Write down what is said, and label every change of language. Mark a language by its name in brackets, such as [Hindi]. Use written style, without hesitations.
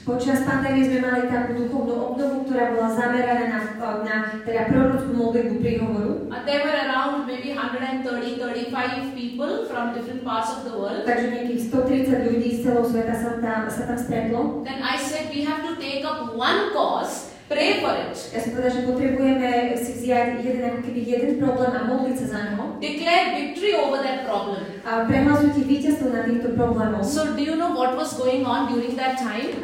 [Slovak] Počas pandémie sme mali takú duchovnú obdobu, ktorá bola zameraná na teda prorockú modlitbu príhovoru. [English] And there were around maybe 130-135 people from different parts of the world. [Slovak] Takže nejakých 130 ľudí z celého sveta sa tam stretlo. [English] Then I said we have to take up one cause. Pray for it. [Slovak] Ja som povedal, že potrebujeme si vziať jeden problém a modliť sa za neho. [English] Declare victory over that problem. [Slovak] A prehlasujte víťazstvo nad týmto problémom. [English] So do you know what was going on during that time?